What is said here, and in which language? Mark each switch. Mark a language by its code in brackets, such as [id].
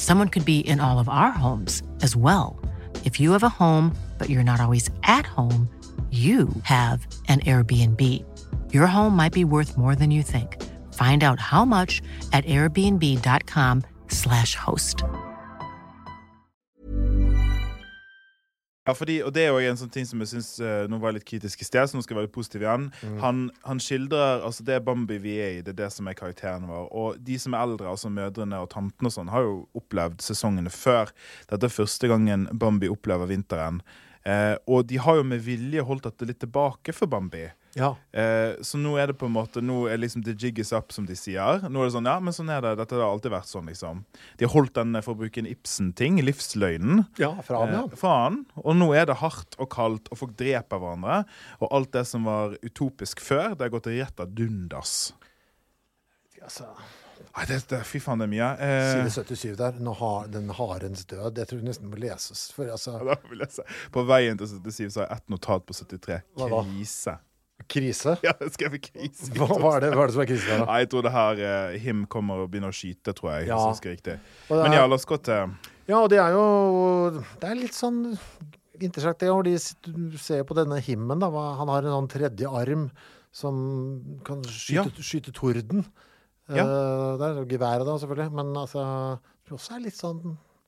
[en] Someone could be in all of our homes as well. If you have a home, but you're not always at home, you have an Airbnb. Your home might be worth more than you think. Find out how much at airbnb.com/host. [no] Ja, fordi, og det en sånn ting som jeg synes nå var litt kritisk I sted, så nå skal jeg være litt positiv igjen. Mm. Han skildrer, altså det Bambi vi I, det det som karakteren vår. Og de som eldre, altså mødrene og tantene og sånn, har jo opplevd sesongene før. Dette første gangen Bambi opplever vinteren. Og de har jo med vilje holdt at det litt tilbake for Bambi. Ja. Så nå det på en måte, nå liksom [en] the jig is up, [no] som de sier. Nå det sånn, ja, men sånn det, dette har alltid vært sånn, liksom. De har holdt den, for å bruke en Ibsen-ting, livsløgnen. Ja, fra han, ja. Fra han. Og nå det hardt og kaldt, og folk dreper hverandre. Og alt det som var utopisk før, det har gått rett av dundas. Altså... Nei, fy faen, det mye. Side 77 der, nå har den harens død, det tror jeg nesten må leses. For, altså. Ja, da må vi lese. På veien til 77 så har jeg et notat på 73. Hva da? Krise. Krise? Ja, jeg skrev krise. Hva det? Hva det som krise da? Nei, jeg tror det her him kommer og begynner å skyte, tror jeg, ja. Som skrek det. Er, Men ja, la oss gå til... Ja, det jo... Det litt sånn interessant, det de ser på denne himmen da, han har en sånn tredje arm som kan skyte, ja. Skyte torden. Ja. Det geværet da, selvfølgelig. Men altså, det også litt sånn...